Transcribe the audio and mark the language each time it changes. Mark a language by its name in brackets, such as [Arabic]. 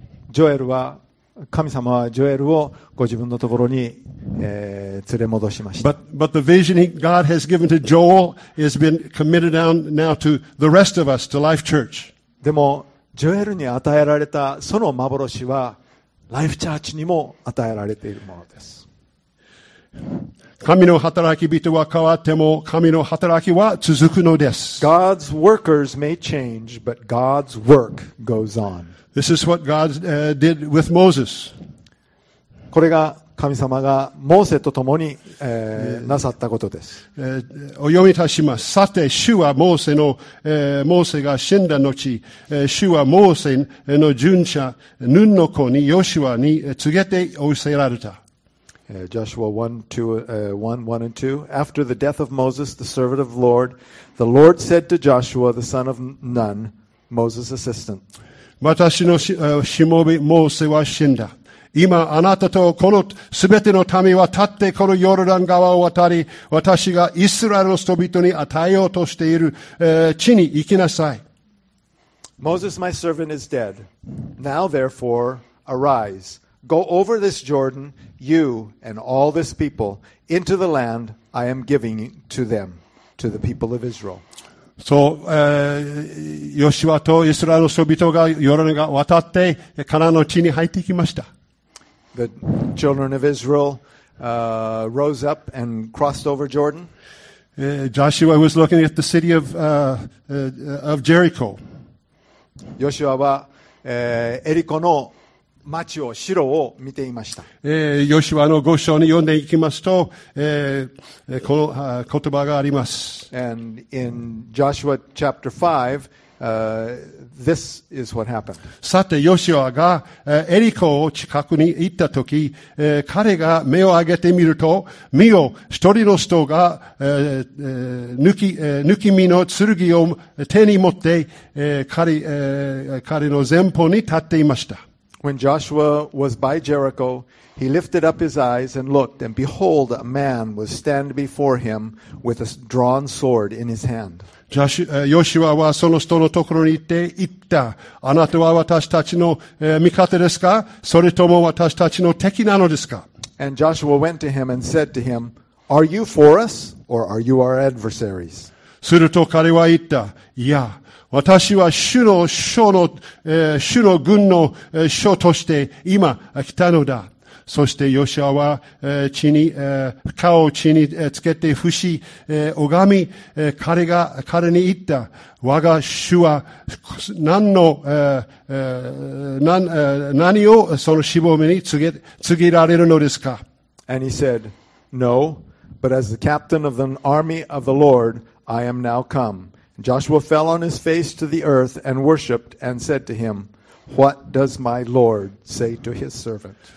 [Japanese] ジョエルは、神様はジョエルをご自分のところに、連れ戻しました。 [English] But the vision God has given to Joel has been committed down now to the rest of us, to Life Church. [Japanese] でも、ジョエルに与えられたその幻は、Life Church にも与えられているものです。神の働き人は変わっても神の働きは続くのです。 [English] God's workers may change, but God's work goes on. This is what God did with Moses. [Japanese] これが神様がモーセと共に、なさったことです。お読みいたします。さて、主はモーセが死んだ後、主はモーセの従者、ヌンの子にヨシュアに告げて仰せられた。 [English] Joshua 1:1-2. After the death of Moses, the servant of the Lord said to Joshua, the son of Nun, Moses' assistant, [Japanese] 私のしもべモーセは死んだ。今あなたとこのすべての民は立ってこのヨルダン川を渡り、私がイスラエルの人々に与えようとしている、地に行きなさい。 [English] Moses, my servant, is dead. Now, therefore, arise. Go over this Jordan, you and all this people, into the land I am giving to them, to the people of Israel. [Japanese] So, ヨシュアとイスラエルの人々がヨルダンが渡ってカナンの地に入っていきました。 [English] The children of Israel, rose up and crossed over Jordan. Joshua was looking at the city of Jericho. [Japanese] ヨシュアは、エリコの町を城を見ていました。ヨシュアの5章に読んでいきますと、この言葉があります。 [English] And in Joshua chapter 5, this is what happened. [Japanese] さて、ヨシュアがエリコを近くに行ったとき、彼が目を上げてみると、見よ、一人の人が抜き身の剣を手に持って、彼の前方に立っていました。 [English] When Joshua was by Jericho, he lifted up his eyes and looked, and behold, a man was standing before him with a drawn sword in his hand. [Japanese] ヨシュアはその人のところに行って言った。あなたは私たちの味方ですか？それとも私たちの敵なのですか？ And Joshua went to him and said to him, Are you for us or are you our adversaries? すると彼は言った。いや。私は主の将の、主の軍の将として今来たのだ。そしてヨシアは、地に、顔を地につけて伏し、拝み、彼が、彼に言った。我が主は何の、何をその死亡目に告げられるのですか。 [English] And he said, No, but as the captain of the army of the Lord, I am now come. Joshua fell on his face to the earth and worshipped and said to him, What does my Lord say to his servant?